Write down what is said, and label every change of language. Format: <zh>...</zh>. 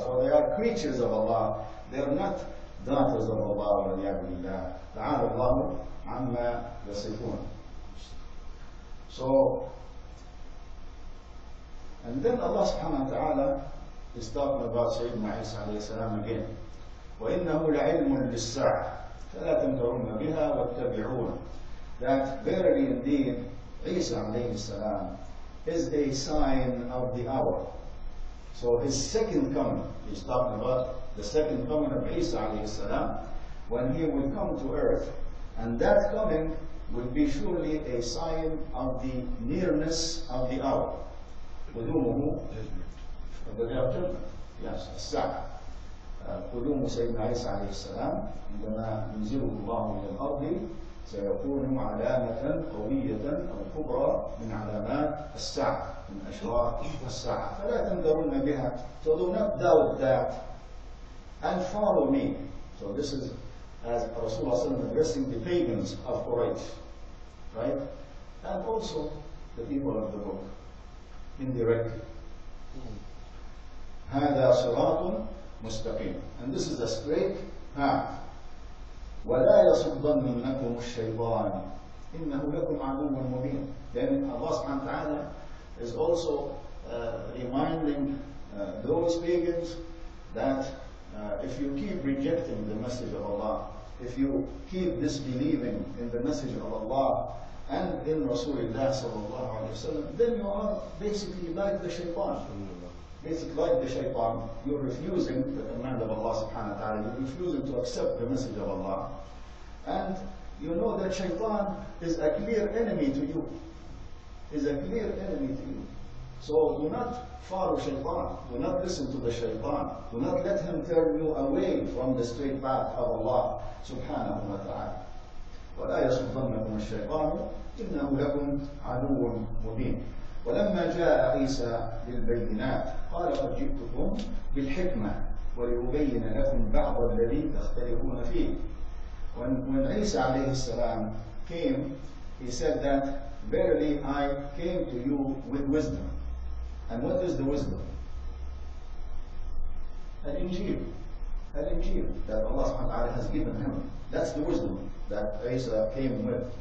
<en>So they are creatures of Allah. They are not daughters of Allah wa niyabu lillah.</en> <ar>تعالى الله عما يصفون.</ar> <en>So, and then Allah سبحانه وتعالى is talking about سيدنا عيسى عليه السلام again.</en> <ar>وإنه لعلم للساعة فلا تمترون بها واتبعون.</ar> <en>That verily indeed عيسى عليه السلام is a sign of the hour. So his second coming, he's talking about the second coming of Isa alayhi salam, when he will come to earth, and that coming will be surely a sign of the nearness of the hour. Qudumuhu of the day of judgment. Yes, as-sa'ah.</en> <ar>Qudumu Sayyidina Isa alayhi salam, عندما ينزله الله من الأرض سيكون علامة قوية أو كبرى من علامات الساعة من أشراط الساعة، فلا تنذرون بها.</ar> <en>So do not doubt that and follow me. So this is as Rasulullah صلى الله عليه وسلم addressing the pagans of Quraysh, right? And also the people of the book indirectly.</en> <ar>هذا صراط مستقيم.</ar> <en>And this is a straight path.</en> <ar>ولا يصدنكم الشيطان إنه لكم عدو مبين.</ar> <en>Then Allah سبحانه وتعالى is also reminding those pagans that if you keep rejecting the message of Allah, if you keep disbelieving in the message of Allah and in Rasulullah صلى الله عليه وسلم, then you are basically like the shaitan. Basically like the shaitan, you're refusing the command of Allah subhanahu wa ta'ala, you're refusing to accept the message of Allah. And you know that shaitan is a clear enemy to you. Is a clear enemy to you. So do not follow shaitan, do not listen to the shaitan, do not let him turn you away from the straight path of Allah subhanahu wa ta'ala.</en> <ar>وَلَا يَصُدَّنَّكُمُ الشَّيْطَانُ إِنَّهُ لَكُمْ عَدُوٌ مُّبِينٌ ولما جاء عيسى للبينات قال قد جئتكم بالحكمة وليبين لكم بعض الذي تختلفون فيه.</ar> <en>When عيسى عليه السلام came, he said that verily I came to you with wisdom. And what is the wisdom?</en> <ar>الإنجيل.</ar> <en>الإنجيل that Allah سبحانه وتعالى has given him. That's the wisdom that عيسى came with.</en>